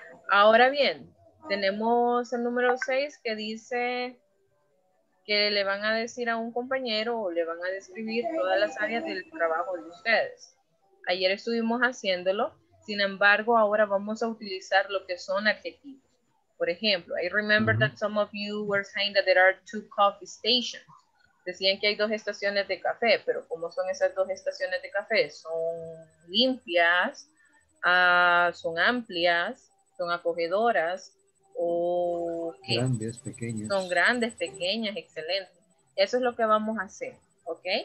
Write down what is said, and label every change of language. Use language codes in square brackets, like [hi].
[es] Ahora bien, tenemos el número 6 que dice que le van a decir a un compañero o le van a describir todas las áreas del trabajo de ustedes. Ayer estuvimos haciéndolo, sin embargo, ahora vamos a utilizar lo que son adjetivos. Por ejemplo, [en] I remember that some of you were saying that there are two coffee stations. [es] Decían que hay dos estaciones de café, pero ¿cómo son esas dos estaciones de café? Son limpias, son amplias, son acogedoras, o grandes, pequeñas. Son grandes, pequeñas, excelente. Eso es lo que vamos a hacer, ¿ok?